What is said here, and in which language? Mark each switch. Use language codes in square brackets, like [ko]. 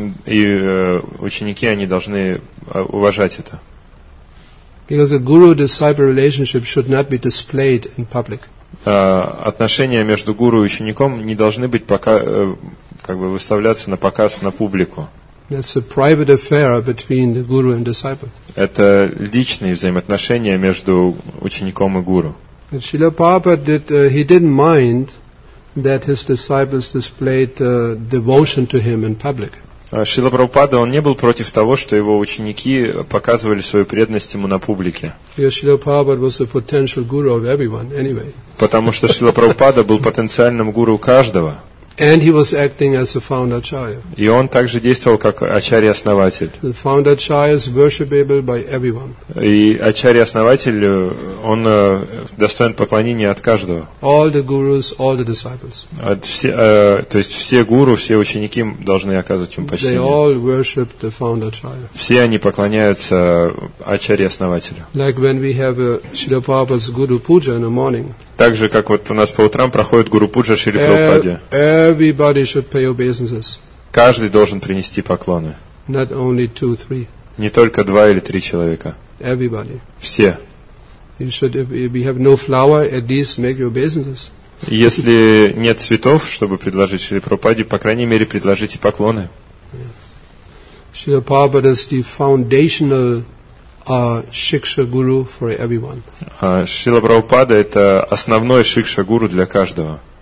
[ru] И ученики, они должны уважать это. [en] Because a guru-disciple relationship should not be displayed in public. [ru] Отношения между гуру и учеником не должны быть пока, как бы выставляться на показ на публику. [en] That's a private affair between the guru and disciple. [ru] Это личные взаимоотношения между учеником и гуру. [en] And Srila Prabhupada did, he didn't mind that his disciples displayed devotion to him in public. [ru] Srila Prabhupada он не был против того, что его ученики показывали свою преданность ему на публике. [en] Because Srila Prabhupada was a potential guru of everyone anyway. [ru] Потому что Srila Prabhupada был потенциальным гуру каждого. [en] And he was acting as a founder acharya. [ru] И он также действовал как ачарья-основатель. [en] The founder acharya is worshipable by everyone. [ru] И ачарья-основатель он достоин поклонения от каждого. [en] All the gurus, all the disciples. [ru] То есть все гуру, все ученики должны оказывать ему почтение. [en] They all worship the founder acharya. [ru] Все они поклоняются ачарье-основателю. [en] Like when we have a Srila Prabhupada's guru puja in the morning. [ru] Так же, как вот у нас по утрам проходит Гуру Пуджа Шри Прабхупаде. [en] Everybody should pay obeisances. [ru] Каждый должен принести поклоны. [en] Not only two, three. [ru] Не только два или три человека. [en] Everybody. [ru] Все. [en] You should, if you have no flower, at least make your obeisances. [ru] Если нет цветов, чтобы предложить Шри Прабхупаде, по крайней мере, предложите поклоны. [en] Шри Прабхупада is the foundational Шикша гуру for everyone. [ru] Шрила Прабхупада это основной шикша гуру для каждого.